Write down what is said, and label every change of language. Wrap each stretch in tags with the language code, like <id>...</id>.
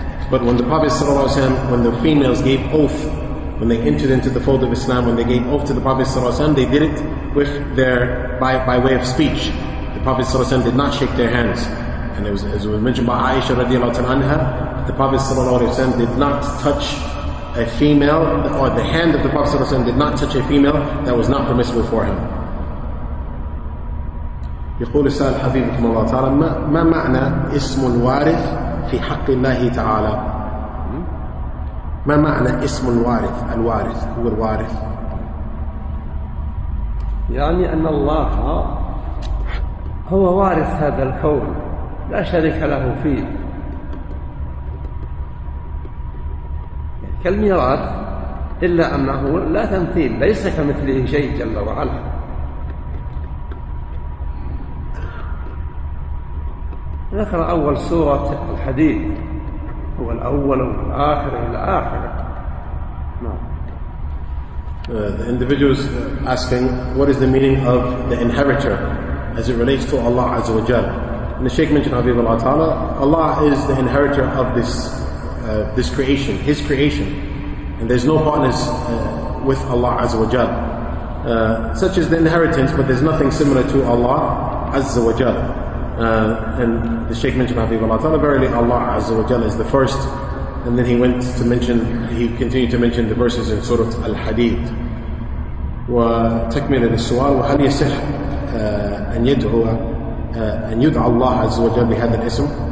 <en>But when the Prophet sallallahu alaihi wasallam, when the females gave oath, when they entered into the fold of Islam, when they gave oath to the Prophet sallallahu alaihi wasallam, they did it with their by way of speech. The Prophet ﷺ did not shake their hands. And it was, as was mentioned by Aisha radiallahu anha, the Prophet ﷺ did not touch a female, or the hand of the Prophet ﷺ did not touch a female that was not permissible for him.</en> <ar>يقول السائل حفيظكم الله تعالى: ما معنى اسم الوارث في حق الله تعالى؟ ما معنى اسم الوارث؟ الوارث هو الوارث. يعني أن الله هو وارث هذا الكون، لا شريك له فيه. كالميراث، إلا أنه لا تمثيل، ليس كمثله شيء جل وعلا. ذكر أول سورة الحديث: هو الأول والآخر إلى آخره.</ar> <en>The individuals asking, what is the meaning of the inheritor as it relates to Allah Azza wa Jal? And the Shaykh mentioned, Habib Allah Ta'ala, Allah is the inheritor of this creation, His creation. And there's no partners with Allah Azza wa Jal. Such is the inheritance, but there's nothing similar to Allah Azza wa Jal. And the Shaykh mentioned, Habib Allah Ta'ala, verily Allah Azza wa Jal is the first. And then he continued to mention the verses in Surah Al-Hadid.</en> <ar>وتكمل السؤال: وهل يصح أن يدعو أن يدعى الله عز وجل بهذا الاسم؟</ar>